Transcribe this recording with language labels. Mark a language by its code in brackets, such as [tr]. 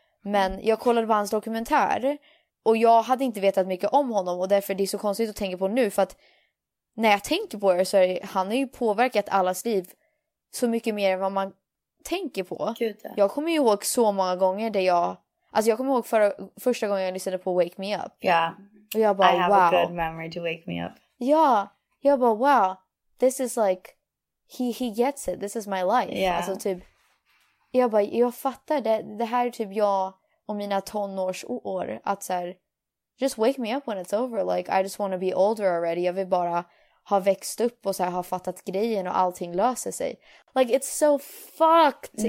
[sv] Men jag kollade på hans dokumentär och jag hade inte vetat mycket om honom, och därför det är så konstigt att tänka på nu, för att när jag tänker på det så är han har ju påverkat allas liv så mycket mer än vad man tänker på. Gud, ja. Jag kommer ju ihåg så många gånger där jag, alltså jag kommer ihåg första gången jag lyssnade på Wake Me Up. Ja, och jag bara, [en] I have wow. a good memory to wake me up. [sv] Ja, jag bara, [en] wow, this is like, he gets it, this is my life. Yeah. [sv] Alltså typ, jag bara, jag fattar det. Det här är typ jag och mina tonårsår. Att så här, [en] just wake me up when it's over. Like, I just want to be older already. [sv] Jag vill bara ha växt upp och så här, ha fattat grejen och allting löser sig. [en] Like, it's so fucked.